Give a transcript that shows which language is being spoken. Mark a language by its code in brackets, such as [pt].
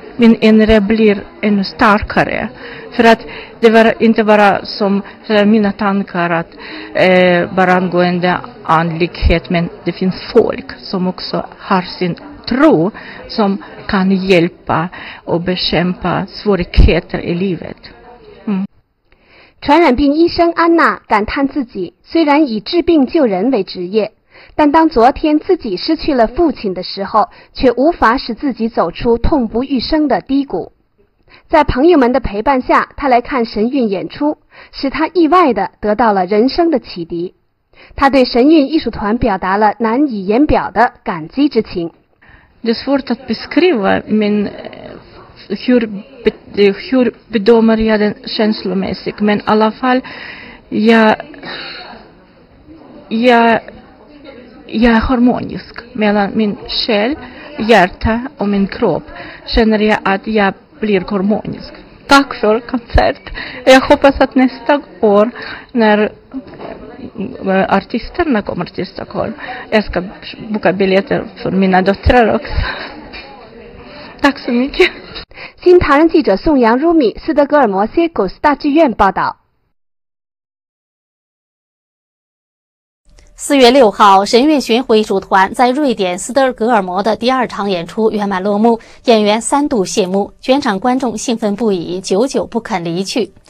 [sv] Min inre blir ännu starkare. För att det var inte bara som mina tankar att bara angående andlighet, men det finns folk som också har sin tro som kan hjälpa och bekämpa svårigheter i livet. [zh] 传染病医生安娜感叹自己虽然以治病救人为职业，但当昨天自己失去了父亲的时候，却无法使自己走出痛不欲生的低谷。在朋友们的陪伴下，他来看神韵演出，使他意外地得到了人生的启迪。他对神韵艺术团表达了难以言表的感激之情。 [sv] Det är svårt att beskriva, men hur bedömer jag den känslomässigt? Men i alla fall, jag är harmonisk mellan min själ, hjärta och min kropp. Känner jag att jag blir harmonisk. Tack för koncert. Jag hoppas att nästa år när artisterna kommer till Stockholm, jag ska boka biljetter för mina döttrar också. Tack så mycket. [zh] 新唐人记者宋阳、如米，斯德哥尔摩谢古斯大剧院报道。 4月6号，神韵巡回艺术团在瑞典斯德哥尔摩的第二场演出圆满落幕，演员三度谢幕，全场观众兴奋不已，久久不肯离去。